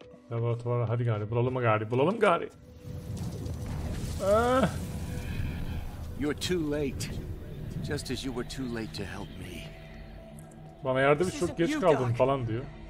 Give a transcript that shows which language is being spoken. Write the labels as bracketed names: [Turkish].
[Turkish] Laboratuvara hadi gari, bulalım mı gari, bulalım gari. [English] You're too late. Just as you were too late to help me. [Turkish] Bana yardım et, çok geç kaldın falan diyor.